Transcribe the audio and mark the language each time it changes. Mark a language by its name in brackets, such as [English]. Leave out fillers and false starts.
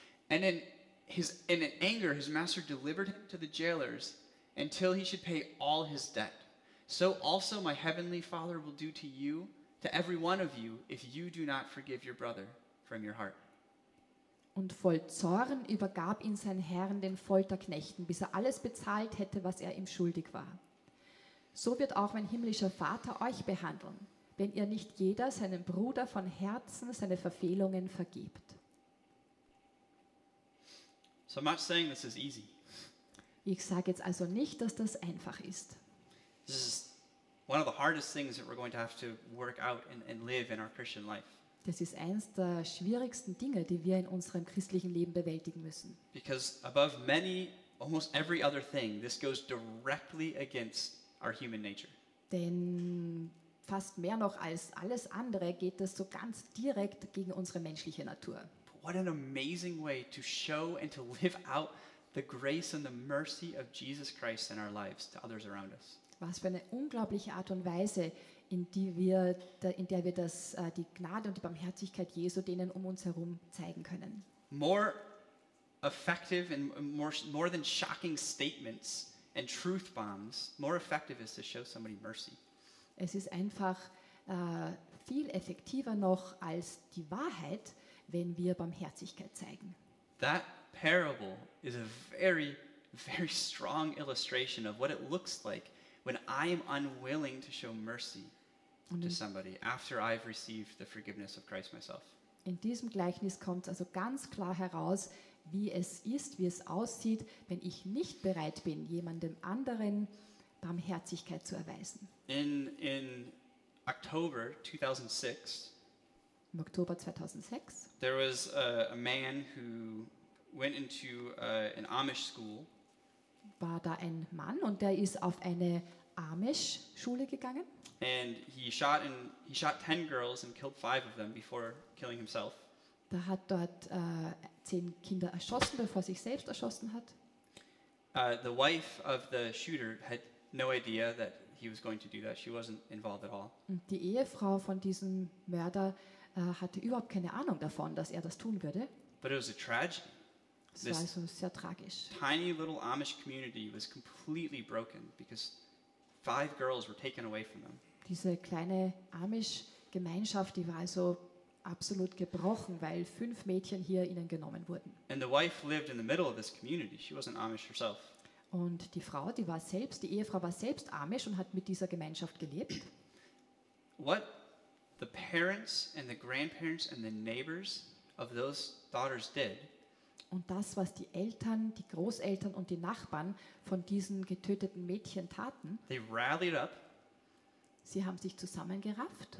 [English] And in anger his master delivered him to the jailers until he should pay all his debt. So also my heavenly Father will do to you, to every one of you, if you do not forgive your brother from your heart. [German] Und voll Zorn übergab ihn sein Herr den Folterknechten, bis er alles bezahlt hätte, was er ihm schuldig war. So wird auch mein himmlischer Vater euch behandeln, wenn ihr nicht jeder seinem Bruder von Herzen seine Verfehlungen vergibt. [English] So I'm not saying this is easy. [German] Ich sage jetzt also nicht, dass das einfach ist. [English] This is one of the hardest things that we're going to have to work out and live in our Christian life. [German] Das ist eines der schwierigsten Dinge, die wir in unserem christlichen Leben bewältigen müssen. [English] Because above many, almost every other thing, this goes directly against our human nature. [German] Denn fast mehr noch als alles andere geht das so ganz direkt gegen unsere menschliche Natur. [English] But what an amazing way to show and to live out the grace and the mercy of Jesus Christ in our lives to others around us. [German] was für eine unglaubliche Art und Weise, in der wir die Gnade und die Barmherzigkeit Jesu denen um uns herum zeigen können. [English] More effective and more than shocking statements and truth bombs, more effective is to show somebody mercy. [German] Es ist einfach viel effektiver noch als die Wahrheit, wenn wir Barmherzigkeit zeigen. [English] That parable is a very, very strong illustration of what it looks like when I am unwilling to show mercy to somebody after I've received the forgiveness of Christ myself. [German] In diesem Gleichnis kommt also ganz klar heraus, wie es ist, wie es aussieht, wenn ich nicht bereit bin, jemandem anderen Barmherzigkeit zu erweisen. [English] In October 2006, [German] im Oktober 2006, [English] there was a man who went into an Amish school. [German] War da ein Mann und der ist auf eine Amish Schule gegangen? [English] And he shot 10 girls and killed 5 of them before killing himself. [German] Da hat dort 10 Kinder erschossen, bevor sich selbst erschossen hat. [English] The wife of the shooter had no idea that he was going to do that. She wasn't involved at all. [German] Und die Ehefrau von diesem Mörder hatte überhaupt keine Ahnung davon, dass das tun würde. [English] But it was a tragedy. [German] Es war also sehr tragisch. [English] Tiny little Amish community was completely broken because 5 girls were taken away from them. [German] Diese kleine Amish-Gemeinschaft, die war also absolut gebrochen, weil 5 Mädchen hier ihnen genommen wurden. [English] And the wife lived in the middle of this community. She wasn't Amish herself. [German] Und die Frau, die Ehefrau war selbst Amish und hat mit dieser Gemeinschaft gelebt. [English] What the parents and the grandparents and the neighbors of those daughters did. [German] Und das, was die Eltern, die Großeltern und die Nachbarn von diesen getöteten Mädchen taten, [English] they rallied up, [German] sie haben sich zusammengerafft.